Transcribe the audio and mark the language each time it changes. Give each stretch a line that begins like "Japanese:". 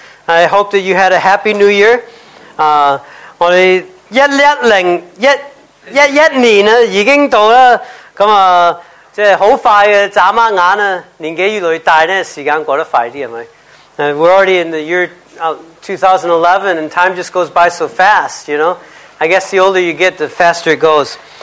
English: I hope that you had a happy new year.
Cantonese: 我哋2011年已经到啦，咁啊，即系好快嘅眨下眼啊，年纪越来越大咧，时间过得快啲系咪？
English: We're already in the year 2011, and time just goes by so fast, you know. I guess the older you get, the faster it goes.